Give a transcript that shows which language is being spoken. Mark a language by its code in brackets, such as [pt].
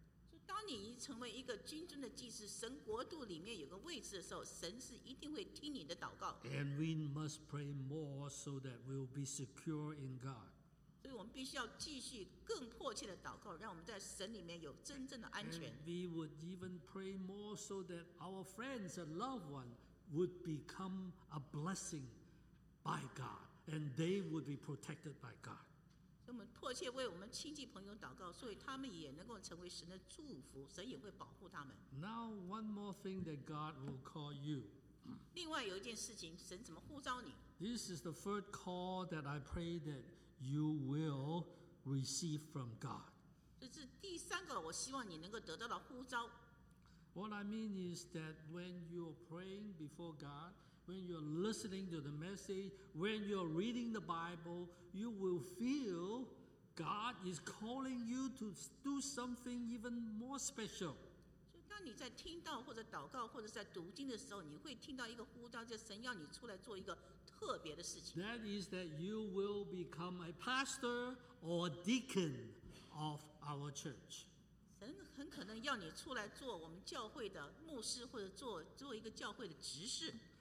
[zh] 所以当你成为一个君尊的祭司，神国度里面有个位置的时候，神是一定会听你的祷告。 [en] And we must pray more so that we'll be secure in God. [zh] 所以我们必须要继续更迫切的祷告，让我们在神里面有真正的安全。 [en] And we would even pray more so that our friends and loved ones would become a blessing by God, and they would be protected by God. [zh] 我们迫切为我们亲戚朋友祷告，所以他们也能够成为神的祝福，神也会保护他们。 [en] Now one more thing that God will call you. [zh] 另外有一件事情，神怎么呼召你？ [en] This is the first call that I pray that you will receive from God. [zh] 这是第三个我希望你能够得到的呼召。 [en] What I mean is that when you're praying before God,When you're listening to the message, when you're reading the Bible, you will feel God is calling you to do something even more special. [zh] 所以当你在听到或者祷告或者在读经的时候，你会听到一个呼召，就神要你出来做一个特别的事情。 [en] That is that you will become a pastor or a deacon of our church. [zh] 神很可能要你出来做我们教会的牧师，或者做一个教会的执事。